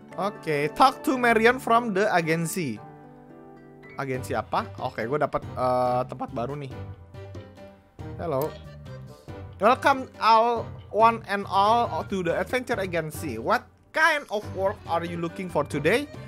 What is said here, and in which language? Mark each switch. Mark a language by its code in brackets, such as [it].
[en] Oke, talk to Marion from the agency. [id] Agency apa? Oke, gua dapat tempat baru nih. [en] Hello. Welcome all one and all to the adventure agency. What kind of work are you looking for today?